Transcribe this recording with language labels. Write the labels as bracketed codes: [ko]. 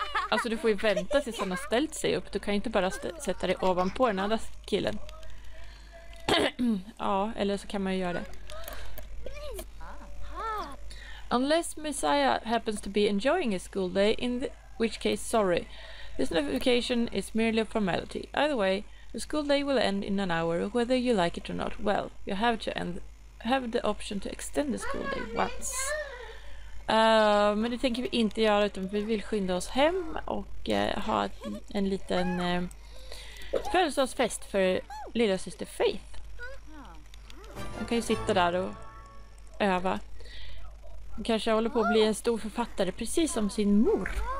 [sv] Alltså du får ju vänta tills han har ställt sig upp. Du kan ju inte bara sätta dig ovanpå den andra killen. Ja, eller så kan man ju göra det. [en] Unless Messiah happens to be enjoying his school day, in which case, sorry. This notification is merely a formality. Either way, the school day will end in an hour, whether you like it or not. Well, you have the option to extend the school day once. [sv] Men det tänker vi inte göra, utan vi vill skynda oss hem och ha en liten födelsedagsfest för lilla syster Faith. Hon kan ju sitta där och öva. Hon kanske håller på att bli en stor författare, precis som sin mor.